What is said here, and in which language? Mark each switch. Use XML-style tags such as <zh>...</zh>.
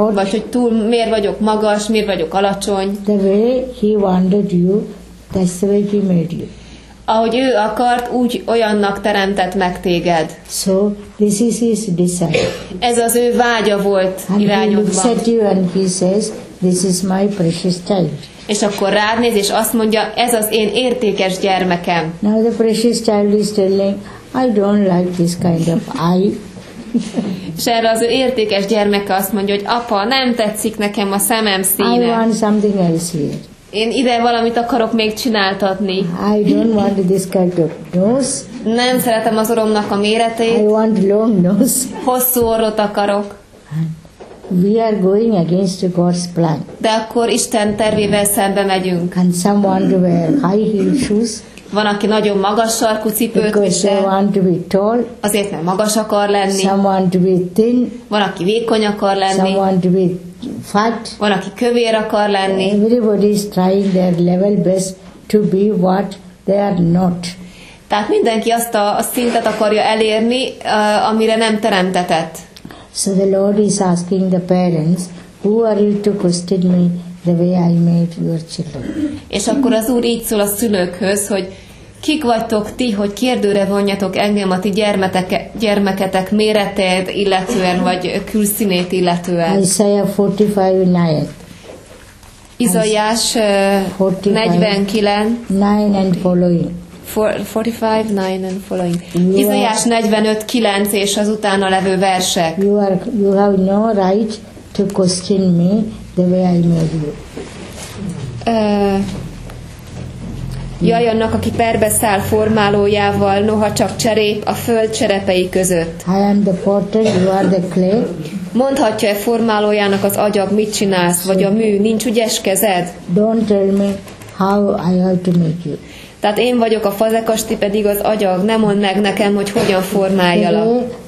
<hu>Vagy hogy túl miért vagyok magas, miért vagyok alacsony.</hu> <en>The way he wanted you, that's the way he made you.</en> <hu>Ahogy ő akart, úgy olyannak teremtett meg téged.</hu> <en>So, this is his desire.</en> <hu>Ez az ő vágya volt irányodban.</hu> <en>He looks at you and he says, this is my precious child.</en> <hu>És akkor rád néz, és azt mondja, ez az én értékes gyermekem.</hu> <en>Now the precious child is telling, I don't like this kind of eye.</en> <hu>És erre az ő értékes gyermeke azt mondja, hogy apa, nem tetszik nekem a szemem színe.</hu> <en>I want something else here.</en> <hu>Én ide valamit akarok még csináltatni.</hu> <en>I don't want this kind of nose.</en> <hu>Nem szeretem az oromnak a méretét.</hu> <en>I want long nose.</en> <hu>Hosszú orrot akarok.</hu> <en>We are going against God's plan.</en> <hu>De akkor Isten tervével szembe megyünk.</hu> <en>And some want to wear high heel shoes.</en> <hu>Van, aki nagyon magas sarkú cipőt visel.</hu> <en>Because they want to be tall.</en> <hu>Azért, mert magas akar lenni.</hu> <en>Some want to be thin.</en> <hu>Van, aki vékony akar lenni.</hu> <en>Some want to be fat.</en> <hu>Van, aki kövér akar lenni.</hu> <en>Everybody is trying their level best to be what they are not.</en> <hu>Tehát mindenki azt a szintet akarja elérni, amire nem teremtetett.</hu> <en>So the Lord is asking the parents, who are you to question me the way I made your children?</en> <hu>És akkor az Úr így szól a szülőkhöz, hogy kik vagytok ti, hogy kérdőre vonjatok engem a ti gyermeketek méretét illetően, vagy külszínét illetően.</hu> <en>Isaiah 45:9.</en> <hu>Izaiás 49:9</hu> <en>and following. 45:9 and following.</en> <hu>Izaiás 45:9 és az utána levő versek.</hu> <en>You have no right to question me the way I made you.</en> <hu>Jaj annak, aki perbe száll formálójával, noha csak cserép a föld cserepei között.</hu> <en>I am the potter, you are the clay.</en> <hu>Mondhatja-e formálójának az agyag, mit csinálsz, vagy a mű, nincs ügyes kezed?</hu> <en>Don't tell me how I have to make you.</en> <hu>Tehát én vagyok a fazekas, ti pedig az agyag. Ne mondd meg nekem, hogy hogyan formáljalak.</hu>